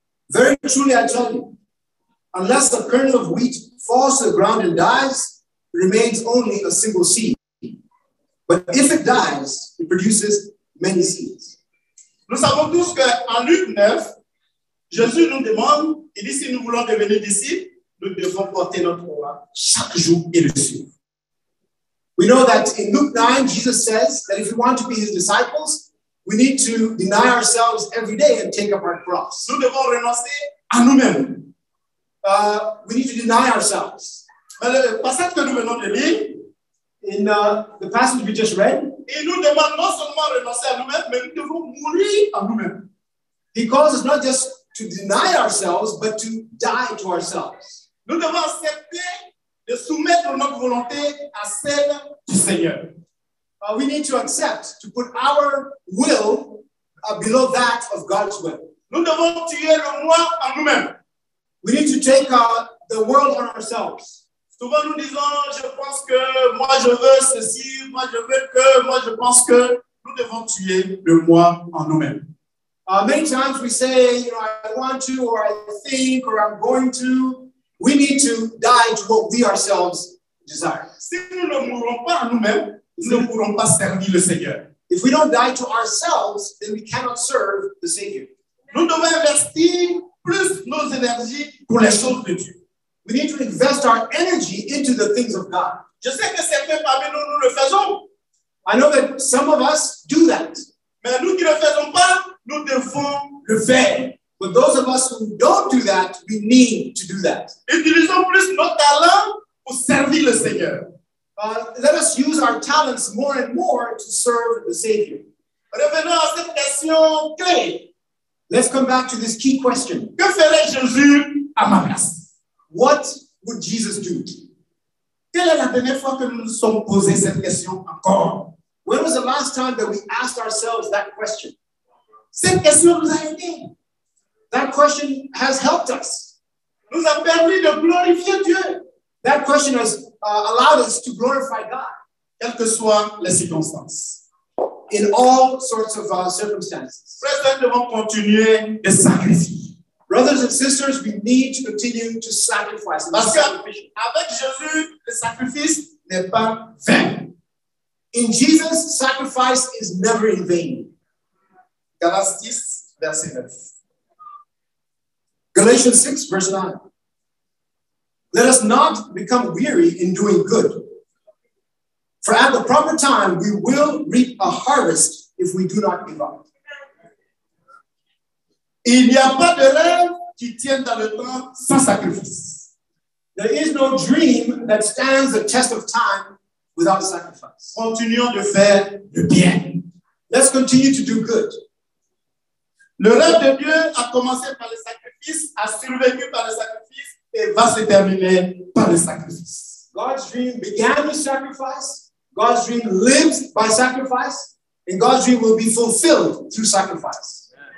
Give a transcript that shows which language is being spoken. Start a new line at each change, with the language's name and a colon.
English: Very truly I tell you, unless a kernel of wheat falls to the ground and dies, it remains only a single seed. But if it dies, it produces many seeds.
French: Nous savons tous qu'en Luc 9, Jésus nous demande, il dit si nous voulons devenir disciples, nous devons porter notre croix chaque jour et le suivre.
English: We know that in Luke 9, Jesus says that if we want to be his disciples, we need to deny ourselves every day and take up our cross.
French: Nous devons renoncer à nous-mêmes.
English: We need to deny ourselves.
French: Mais le passage que nous venons de lire,
English: in the passage we just read,
French: il nous demande non seulement renoncer à nous-mêmes, mais nous devons mourir à nous-mêmes.
English: He calls us not just to deny ourselves, but to die to ourselves.
French: Nous devons accepter de soumettre notre volonté à celle du Seigneur.
English: We need to accept, to put our will below that of God's will.
French: Nous devons tuer le moi à nous-mêmes.
English: We need to take the world on ourselves.
French: Souvent nous disons, je pense que moi je veux ceci, moi je veux que, moi je pense que. Nous devons tuer le moi en nous-mêmes.
English: Many times we say, you know, I want to, or I think, or I'm going to. We need to die to what we ourselves desire.
French: Si nous ne mourons pas à nous-mêmes, nous ne pourrons pas servir le Seigneur.
English: If we don't die to ourselves, then we cannot serve the Savior.
French: Nous devons investir plus nos énergies pour les choses de Dieu.
English: We need to invest our energy into the things of God.
French: Je sais que certains parmi nous, nous le faisons.
English: I know that some of us do that.
French: Mais nous qui ne le faisons pas, nous devons le faire.
English: But those of us who don't do that, we need to do that.
French: Utilisons plus nos talents pour servir le Seigneur.
English: Let us use our talents more and more to serve the Savior.
French: Revenons à cette question clé.
English: Let's come back to this key question.
French: Que ferait Jésus à ma place?
English: What would Jesus do?
French: Quelle est la dernière fois que nous nous sommes posé cette question encore?
English: When was the last time that we asked ourselves that question?
French: Cette question nous a aidé.
English: That question has helped us.
French: Nous a permis de glorifier Dieu.
English: That question has allowed us to glorify God.
French: Quelles que soient les circonstances.
English: In all sorts of circumstances.
French: Frères et sœurs, nous devons continuer de sacrifier.
English: Brothers and sisters, we need to continue to sacrifice.
French: Parce qu'avec Jésus, le sacrifice n'est pas vain.
English: In Jesus, sacrifice is never in vain.
French: Galates 6, verset 9.
English: Galatians 6, verse 9. Let us not become weary in doing good. For at the proper time, we will reap a harvest if we do not give up.
French: Il n'y a pas de rêve qui tient dans le temps sans sacrifice.
English: There is no dream that stands the test of time without sacrifice.
French: Continuons de faire le bien.
English: Let's continue to do good.
French: Le rêve de Dieu a commencé par le sacrifice, a survécu par le sacrifice et va se terminer par le sacrifice.
English: God's dream began with sacrifice. God's dream lives by sacrifice. And God's dream will be fulfilled through sacrifice.